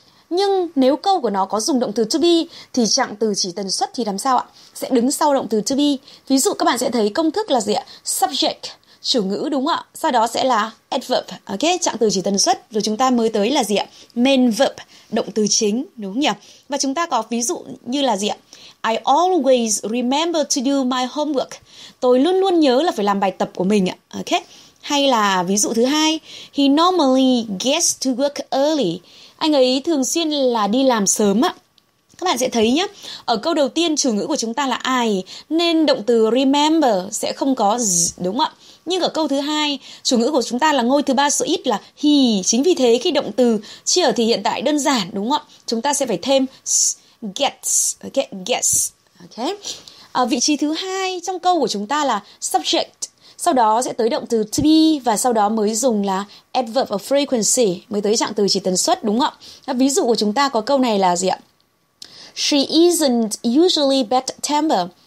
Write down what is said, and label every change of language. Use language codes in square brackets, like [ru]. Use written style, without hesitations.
[vi] Nhưng nếu câu của nó có dùng động từ to be thì trạng từ chỉ tần suất thì làm sao ạ? Sẽ đứng sau động từ to be. Ví dụ các bạn sẽ thấy công thức là gì ạ? Subject, chủ ngữ, đúng không ạ? Sau đó sẽ là adverb, ok, trạng từ chỉ tần suất. Rồi chúng ta mới tới là gì ạ? Main verb, động từ chính, đúng không nhỉ? Và chúng ta có ví dụ như là gì ạ? [en] I always remember to do my homework. [vi] Tôi luôn luôn nhớ là phải làm bài tập của mình ạ, ok. Hay là ví dụ thứ hai, [en] he normally gets to work early. [vi] Anh ấy thường xuyên là đi làm sớm ạ. Các bạn sẽ thấy nhé, ở câu đầu tiên chủ ngữ của chúng ta là I, nên động từ remember sẽ không có z, đúng không ạ? Nhưng ở câu thứ hai, chủ ngữ của chúng ta là ngôi thứ ba số ít là he. Chính vì thế khi động từ chia ở thì hiện tại đơn giản, đúng không ạ? Chúng ta sẽ phải thêm z, gets, ok, gets, ok. Ở vị trí thứ hai trong câu của chúng ta là subject. Sau đó sẽ tới động từ to be và sau đó mới dùng là adverb of frequency mới tới trạng từ chỉ tần suất, đúng không ạ? Ví dụ của chúng ta có câu này là gì ạ? [en] She isn't usually bad temper.